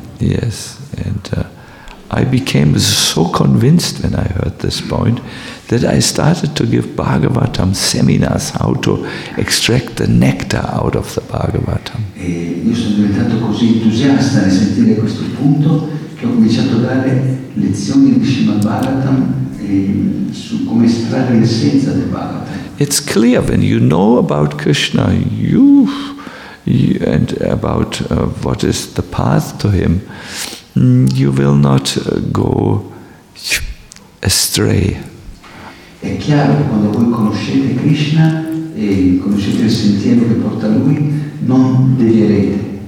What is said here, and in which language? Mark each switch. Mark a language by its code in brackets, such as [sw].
[en] Yes, and I became so convinced when I heard this point that I started to give Bhagavatam seminars how to extract the nectar out of the Bhagavatam. [it] E io sono diventato così entusiasta nel sentire questo punto che ho cominciato a dare lezioni di Srimad Bhagavatam su come estrarre l'essenza del Bhagavatam. [en] It's clear when you know about Krishna, you and about what is the path to him, you will not go astray. [it] È chiaro che quando voi conoscete Krishna e conoscete il sentiero che porta lui, non devierete.